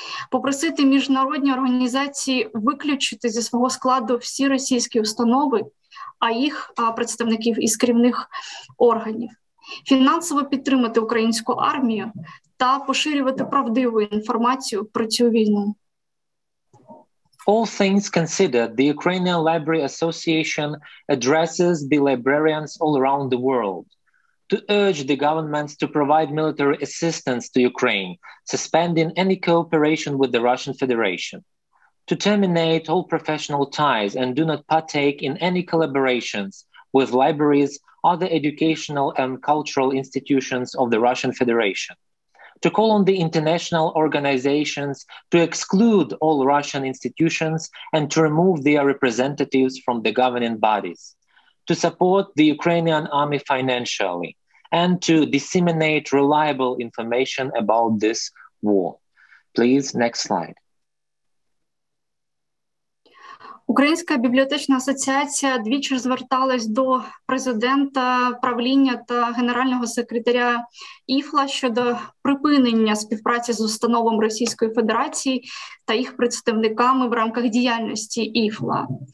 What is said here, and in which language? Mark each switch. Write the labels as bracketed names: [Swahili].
[Ukrainian] Попросити міжнародні організації виключити зі свого складу всі російські установи, а їх представників із керівних органів. Фінансово підтримати українську армію та поширювати правдиву інформацію про цю війну. [English] All things considered, the Ukrainian Library Association addresses the librarians all around the world to urge the governments to provide military assistance to Ukraine, suspending any cooperation with the Russian Federation, to terminate all professional ties and do not partake in any collaborations with libraries, other educational and cultural institutions of the Russian Federation, to call on the international organizations to exclude all Russian institutions and to remove their representatives from the governing bodies, to support the Ukrainian army financially, and to disseminate reliable information about this war. Please, next slide. [Ukrainian] Українська бібліотечна асоціація двічі зверталась до президента, правління та генерального секретаря ІФЛА щодо припинення співпраці з установами Російської Федерації та їх представниками в рамках діяльності ІФЛА.